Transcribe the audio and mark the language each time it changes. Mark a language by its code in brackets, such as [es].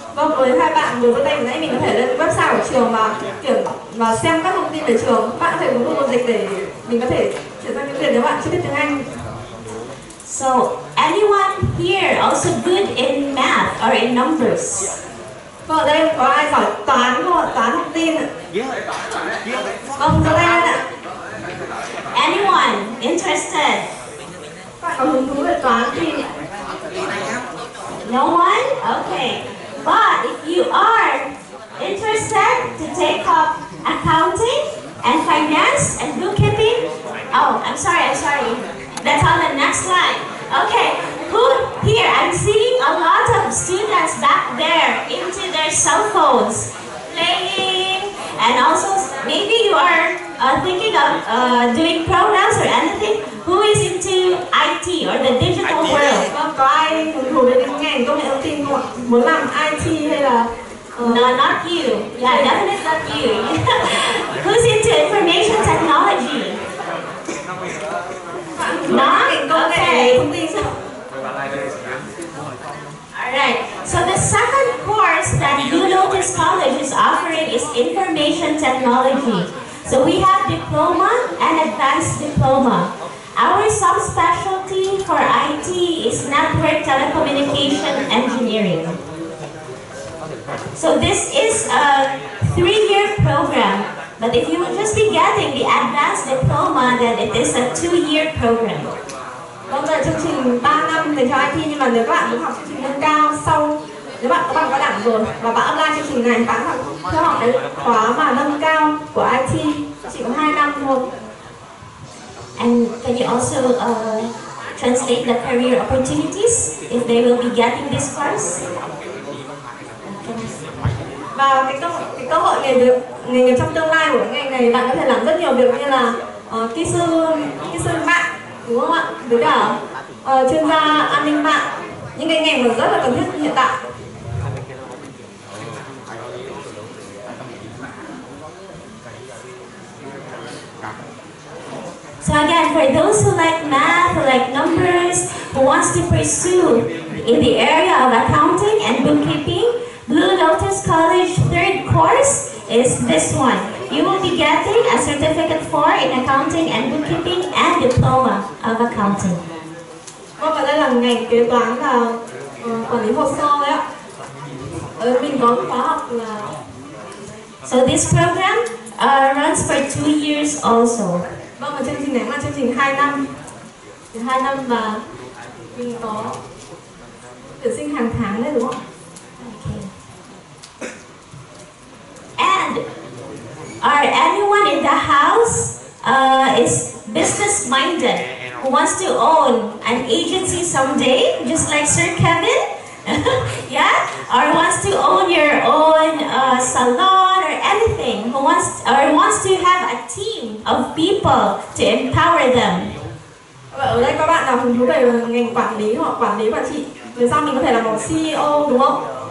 [vi] Vâng, với hai bạn vừa tay nãy mình có thể lên website của trường mà kiểm và xem các thông tin về trường. Bạn có thể dùng Google dịch để mình có thể chuyển sang tiếng Việt nếu bạn chưa biết tiếng Anh. [en] So, anyone here also good in math or in numbers? [vi] Vâng, đây có ai giỏi toán không ạ? Toán thông tin ạ? Vâng, giơ tay lên ạ. [en] Anyone interested? [vi] Bạn có hứng thú về toán tin ạ? [en] No one? Okay. But if you are interested to take up accounting and finance and bookkeeping, I'm sorry. That's on the next slide. Okay, who here? I'm seeing a lot of students back there into their cell phones playing, and also maybe you are thinking of doing programs or anything. Who is into IT or the digital IT world? [vi] Có ai hứng thú đến ngành công nghệ thông tin không? Muốn làm IT hay là [en] no, not you. Yeah, definitely not you. Who's into information technology? Alright, so the second course that Blue Lotus College is offering is information technology. So we have diploma and advanced diploma. Our subspecialty for IT is network telecommunication engineering. So So this is a 3-year program. But if you would just be getting the advanced diploma, then it is a 2-year program. [vi] Vâng, đây là chương trình 3 năm dành cho IT, nhưng mà nếu các bạn muốn học chương trình nâng cao sau, nếu bạn các bạn có đảm rồi và bạn apply chương trình này, bạn theo học cái khóa mà nâng cao của IT chỉ có 2 năm thôi. [en] And can you also translate the career opportunities if they will be getting this course? [vi] Và cái cơ hội nghề nghiệp trong tương lai của cái ngành này, bạn có thể làm rất nhiều việc như là kỹ sư mạng, đúng không ạ? Với cả chuyên gia an ninh mạng, những cái ngành mà rất là cần thiết hiện tại. [en] So again, for those who like math, like numbers, who wants to pursue in the area of accounting and bookkeeping, Blue Lotus College third course is this one. You will be getting a certificate 4 in accounting and bookkeeping and diploma of accounting. [vi] Và đây là ngành kế toán là quản lý hồ sơ đấy ạ. Mình có khóa học là. [en] So this program runs for 2 years also. [vi] Vâng, mà chương trình này là chương trình 2 năm. Thì 2 năm mà mình có tuyển sinh hàng tháng đấy, đúng không? [en] And are anyone in the house is business minded, who wants to own an agency someday, just like Sir Kevin? Yeah? Or wants to own your own salon or anything? Who wants to have a team of people to empower them? [vi] Ở đây các bạn nào hứng thú về ngành quản lý hoặc quản lý quản trị, về sau mình có thể là một CEO, đúng không?